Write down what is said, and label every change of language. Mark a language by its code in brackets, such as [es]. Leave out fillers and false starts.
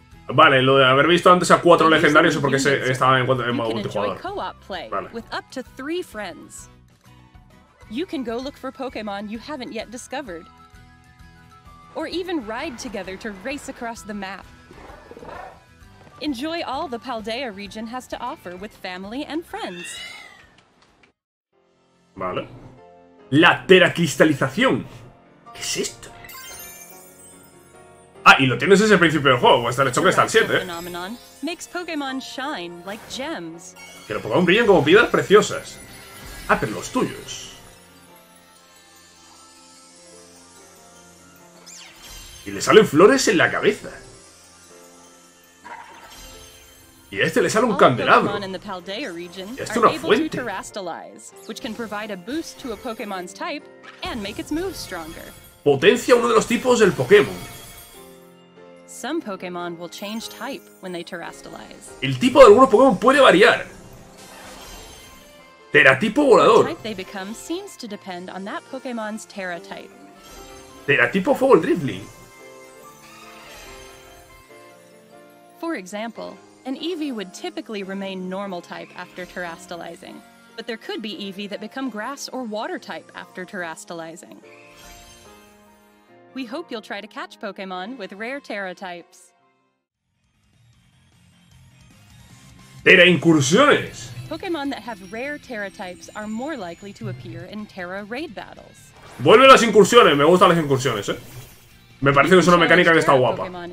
[es] Vale, lo de haber visto antes a cuatro legendarios es porque estaba en modo multijugador. [en] Co-op play with up to three friends. You can go look for Pokémon you haven't yet discovered. Or even ride together to race across the map. Enjoy all the Paldea region has to offer with family and friends. [es] Vale. La teracristalización. ¿Qué es esto? Ah, y lo tienes desde el principio del juego. Hasta el choque está al 7, ¿eh? [en] Phenomenon makes Pokémon shine like gems. [es] Que los Pokémon brillan como piedras preciosas. Ah, pero los tuyos. Y le salen flores en la cabeza. Y a este le sale un candelabro. Y a este una fuente. [en] Which can provide a boost to a Pokémon's type and make its moves stronger. [es] Potencia uno de los tipos del Pokémon. [en] Some Pokémon will change type when they terastalize. [es] El tipo de algunos Pokémon puede variar. Teratipo volador. [en] The type they become seems to depend on that Pokémon's Terra type. [es] Teratipo fuego el dribbling. [en] For example, an Eevee would typically remain normal type after terastalizing, but there could be Eevee that become grass or water type after terastalizing. We hope you'll try to catch Pokémon with rare Terra types. [es] Terra incursiones. [en] Pokémon that have rare Terra types are more likely to appear in Terra raid battles. [es] Vuelve las incursiones, me gustan las incursiones, ¿eh? Me parece que es una mecánica que está guapa.